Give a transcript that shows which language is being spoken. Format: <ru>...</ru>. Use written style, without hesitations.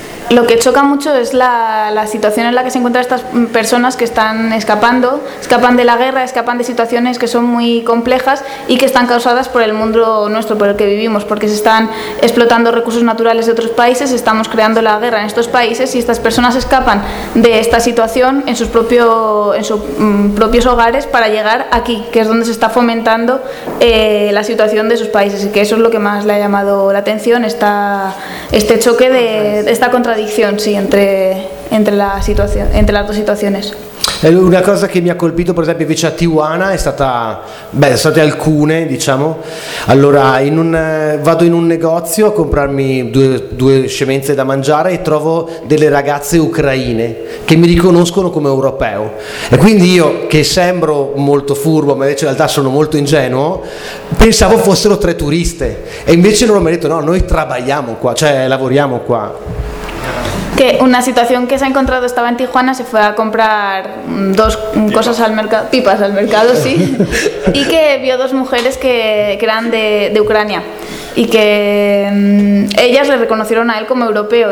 <es>Lo que choca mucho es la situación en la que se encuentran estas personas que están escapando, escapan de la guerra, escapan de situaciones que son muy complejas y que están causadas por el mundo nuestro, por el que vivimos, porque se están explotando recursos naturales de otros países, estamos creando la guerra en estos países y estas personas escapan de esta situación en sus propios hogares para llegar aquí, que es donde se está fomentando la situación de sus países, y que eso es lo que más le ha llamado la atención, este choque de esta contradicción.</es> <it>Entre le due situazioni. Una cosa che mi ha colpito, per esempio, invece a Tijuana è stata, sono state alcune, diciamo. Allora, vado in un negozio a comprarmi due scemenze da mangiare e trovo delle ragazze ucraine che mi riconoscono come europeo. E quindi io, che sembro molto furbo, ma invece in realtà sono molto ingenuo, pensavo fossero 3 turiste. E invece loro mi hanno detto: no, noi lavoriamo qua.</it> <es>Que una situación que se ha encontrado, estaba en Tijuana, se fue a comprar dos cosas al mercado, pipas al mercado, sí, y que vio dos mujeres que eran de Ucrania. y que ellas le reconocieron a él como europeo.</es>